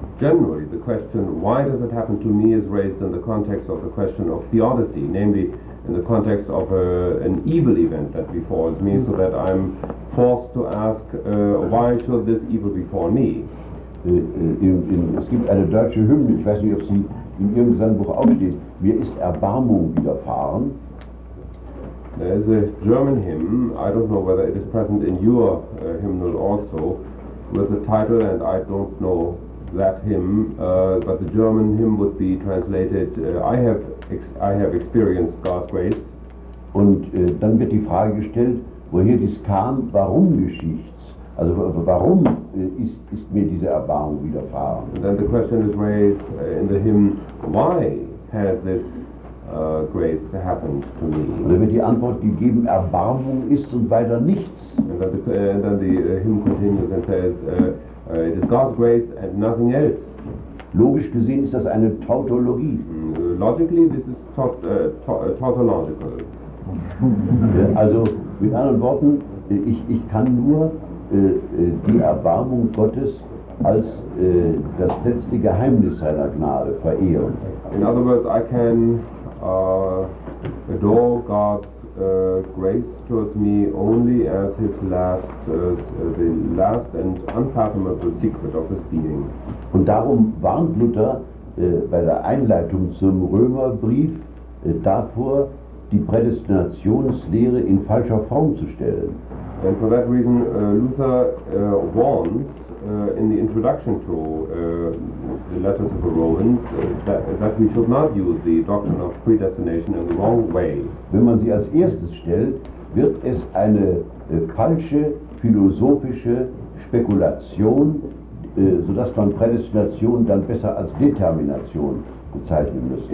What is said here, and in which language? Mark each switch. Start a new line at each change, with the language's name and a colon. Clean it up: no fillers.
English: Generally, the question, why does it happen to me, is raised in the context of the question of theodicy, namely in the context of an evil event that befalls me, so that I'm forced to ask, why should this evil befall me?
German: Es gibt eine deutsche Hymne, ich weiß nicht, ob sie in Ihrem Gesangbuch aufsteht, mir ist Erbarmung widerfahren.
English: There is a German hymn, I don't know whether it is present in your hymnal also, with the title, and I don't know that hymn, but the German hymn would be translated, I have experienced God's grace.
German: Und dann wird die Frage gestellt, woher dies kam, warum geschieht? Also warum ist mir diese Erbarmung widerfahren?
English: And then the question is raised in the hymn, why has this grace happened to me?
German: Und dann wird die Antwort gegeben, Erbarmung ist und weiter nichts.
English: And then the hymn continues and says, it is God's grace and nothing else.
German: Logisch gesehen ist das eine Tautologie.
English: Logically, this is tautological.
German: Also mit anderen Worten, ich kann nur die Erbarmung Gottes als das letzte Geheimnis seiner Gnade verehren.
English: In other words, I can adore God's grace towards me only as his last, the last and unfathomable secret of his being.
German: Und darum warnt Luther bei der Einleitung zum Römerbrief davor, die Prädestinationslehre in falscher Form zu stellen.
English: And for that reason, Luther warns in the introduction to the letter to the Romans that we should not use the doctrine of predestination in the wrong way.
German: Wenn man sie als erstes stellt, wird es eine falsche philosophische Spekulation, sodass man Prädestination dann besser als Determination bezeichnen müsste.